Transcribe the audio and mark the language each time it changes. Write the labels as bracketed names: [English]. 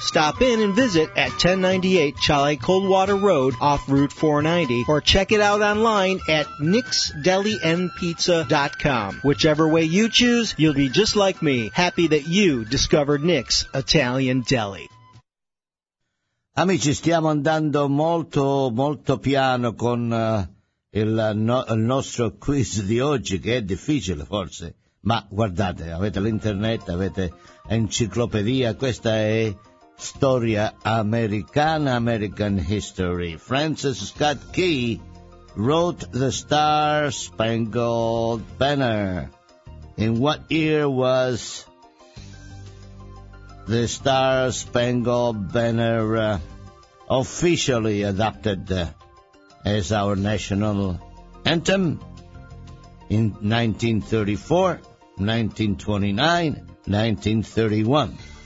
[English] Stop in and visit at 1098 Chalet Coldwater Road off Route 490, or check it out online at nicksdelinpizza.com. Whichever way you choose, you'll be just like me, happy that you discovered Nick's Italian Deli. [Italian] Amici, stiamo andando molto, molto piano con il nostro quiz di oggi, che è difficile forse, ma guardate, avete l'internet, avete enciclopedia, questa è storia americana, American History. [English] Francis Scott Key wrote the Star Spangled Banner. In what year was the Star Spangled Banner officially adopted as our national anthem? In 1934, 1929, 1931.